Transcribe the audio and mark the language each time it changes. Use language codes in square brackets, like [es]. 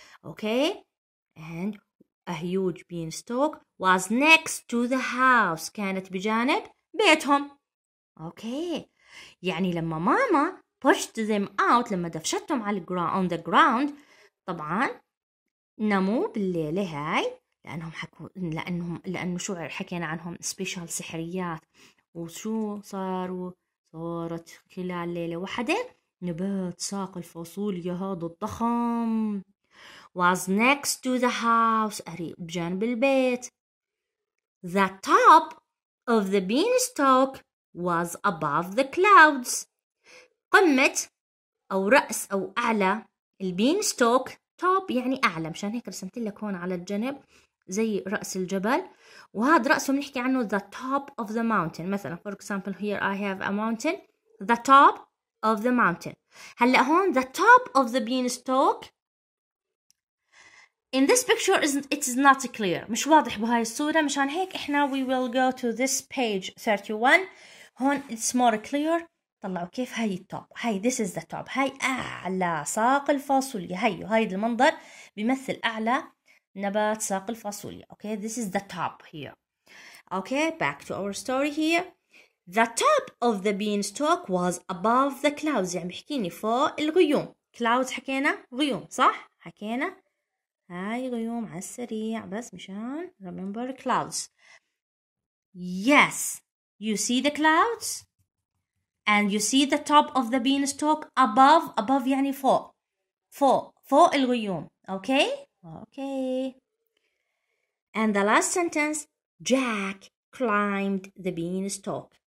[en] Okay, and a huge beanstalk was next to the house. [ar] كانت بجانب بيتهم. Okay. يعني لما ماما [en] pushed them out, [ar] لما دفشتهم على الground, on the ground, طبعا ناموا بالليلة هاي لأنهم حكوا لأنه شو حكينا عنهم special سحريات وشو صاروا صارت خلال ليلة واحدة نبات ساق الفاصوليا هذا الضخم [en] was next to the house [ar] قريب بجانب البيت. [en] The top of the beanstalk was above the clouds. [ar] قمة أو رأس أو أعلى البينستوك. top يعني أعلى, مشان هيك رسمت لك هون على الجنب زي رأس الجبل, وهذا رأسه بنحكي عنه [en] the top of the mountain. مثلا for example here I have a mountain, the top of the mountain. [ar] هلأ هون [en] the top of the beanstalk in this picture it is not clear, [ar] مش واضح بهاي الصورة, مشان هيك إحنا [en] we will go to this page 31. هون it's more clear. [ar] طلعوا كيف هاي التوب, هاي [en] this is the top, [ar] هاي أعلى ساق الفاصوليا, هاي وهاي المنظر بيمثل أعلى نبات ساق الفاصوليا. [en] Okay, this is the top here. Okay, back to our story here. The top of the beanstalk was above the clouds, [ar] يعني بحكيني فوق الغيوم. Clouds حكينا غيوم صح, حكينا هاي غيوم على السريع بس مشان [en] remember clouds. Yes, you see the clouds and you see the top of the beanstalk above. [ar] Above يعني فوق, فوق فوق الغيوم. [en] Okay, okay. And the last sentence, Jack climbed the beanstalk.